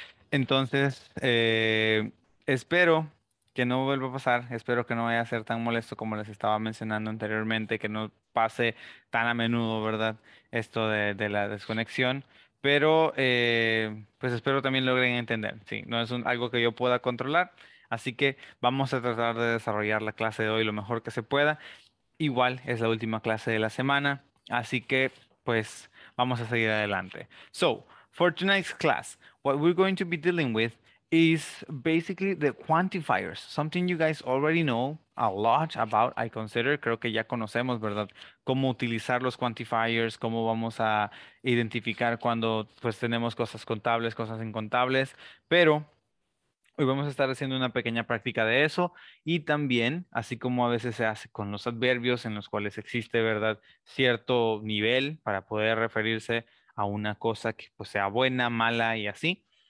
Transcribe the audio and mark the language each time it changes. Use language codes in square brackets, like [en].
[es] Entonces, espero que no vuelva a pasar, espero que no vaya a ser tan molesto como les estaba mencionando anteriormente, que no pase tan a menudo, ¿verdad?, esto de la desconexión, pero pues espero también logren entender. Sí, no es algo que yo pueda controlar, así que vamos a tratar de desarrollar la clase de hoy lo mejor que se pueda. Igual es la última clase de la semana, así que pues vamos a seguir adelante. [en] So, for tonight's class, what we're going to be dealing with is basically the quantifiers, something you guys already know a lot about, I consider. [es] Creo que ya conocemos, ¿verdad?, cómo utilizar los quantifiers, cómo vamos a identificar cuando pues tenemos cosas contables, cosas incontables. Pero hoy vamos a estar haciendo una pequeña práctica de eso, y también, así como a veces se hace con los adverbios, en los cuales existe, ¿verdad?, cierto nivel para poder referirse a una cosa que pues sea buena, mala y así.